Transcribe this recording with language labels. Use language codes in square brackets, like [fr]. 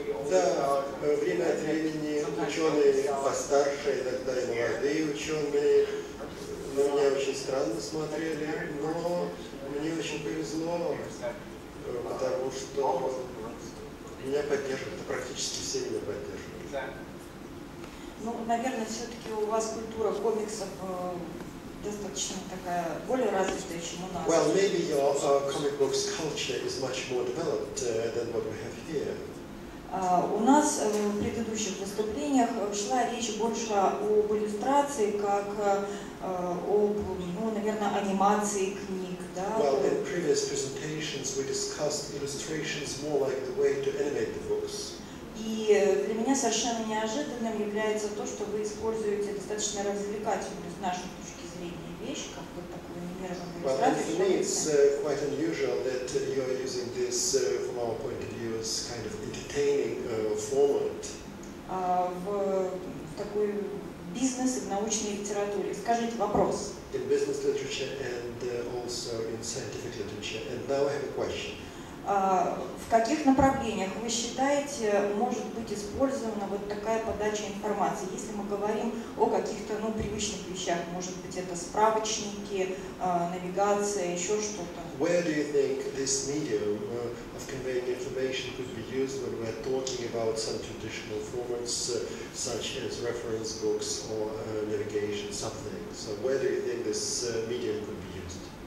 [ru] Да, время от времени ученые постарше, иногда и молодые ученые на меня очень странно смотрели, но мне очень повезло, потому что меня поддерживают, практически все меня поддерживают. Ну, наверное, все-таки у вас культура комиксов достаточно такая, более развитая, чем у нас. [en] Well, maybe your comic books culture is much more developed than what we have here. [ru] У нас в предыдущих выступлениях шла речь больше об иллюстрации, как об, ну, наверное, анимации книг, да? [en] Well, in previous presentations we discussed illustrations more like the way to animate the books. [ru] И для меня совершенно неожиданным является то, что вы используете достаточно развлекательную, с нашей точки зрения, вещь, как вот такую анимированную иллюстрацию. [en] Well, I think it's quite unusual that you are using this from our point of view as kind of entertaining format. [ru] В такой бизнес и в научной литературе. Скажите вопрос. [en] in business literature and also in scientific literature. And now I have a question. [ru] В каких направлениях вы считаете, может быть использована вот такая подача информации, если мы говорим о каких-то ну, привычных вещах, может быть это справочники, навигация, еще что-то? [en] Where do you think this medium of conveying information could be used when we're talking about some traditional formats, such as reference books or navigation, something? So where do you think this medium could be used?